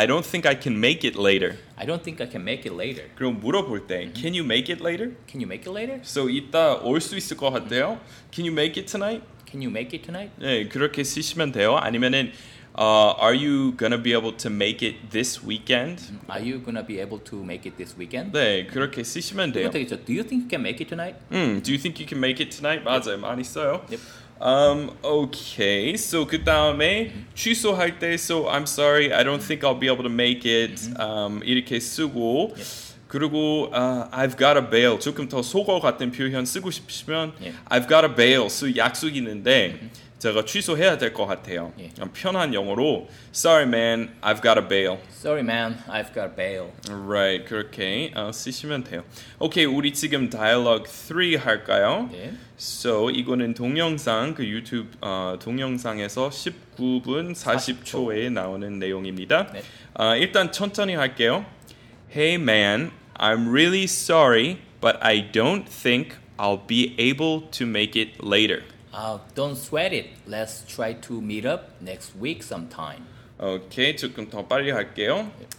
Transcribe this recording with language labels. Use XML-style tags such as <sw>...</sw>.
<en>I don't think I can make it later. I don't think I can make it later.</en> <ko>그럼 물어볼 때</ko> <en>can you make it later? Can you make it later?</en> <ko>So 이따 올 수 있을 것 같아요.</ko> <en>Can you make it tonight? Can you make it tonight?</en> <ko>네, 그렇게 쓰시면 돼요.</ko> <en>아니면은 are you gonna be able to make it this weekend? Are you gonna be able to make it this weekend?</en> <ko>네, 그렇게 쓰시면 돼요.</ko> <en>Do you think you can make it tonight? Do you think you can make it tonight?</en> <ko>맞아요, 많이 써요.</ko> <en>Yep. Okay, so</en> <ko>그 다음에 취소할 때,</ko> <en>so I'm sorry, I don't think I'll be able to make it.</en> <ko>이렇게 쓰고,</ko> <en>yep. 그리고 I've got a bail.</en> <ko>조금 더 속어 같은 표현 쓰고 싶으시면</ko> <en>yep. I've got a bail. So</en> <ko>약속 있는데. 제가 취소해야 될 것 같아요. 예. 편한 영어로</ko> <en>Sorry man, I've got a bail. Sorry man, I've got a bail.</en> <ko>Right, 그렇게 쓰시면 돼요. Okay, 우리 지금 dialogue 3 할까요? 예. So, 이거는 동영상, 그 유튜브 동영상에서 19분 40초에 40초. 나오는 내용입니다. 네. 일단 천천히 할게요.</ko> <en>Hey man, I'm really sorry, but I don't think I'll be able to make it later. Don't sweat it. Let's try to meet up next week sometime.</en> <ko>Okay, 조금 더 빨리 할게요.</ko>